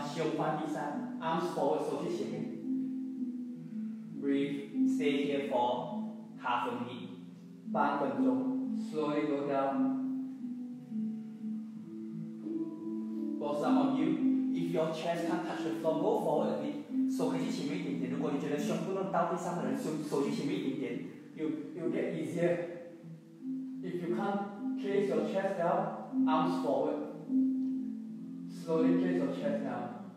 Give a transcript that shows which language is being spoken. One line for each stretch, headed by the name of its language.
Chinese: 胸放地上.
English: Arms forward.
Chinese: 手去前面.
English: Breathe. Stay here for half a minute.
Chinese: 8分钟.
English: Slowly go down. For some of you, if your chest can't touch the floor, go forward a bit.
Chinese: 手可以去前面一点点. 如果你觉得胸部能到地上的人, 手去前面一点点.
English: You'll get easier. If you can't place your chest down, arms forward. Slowly place your chest down.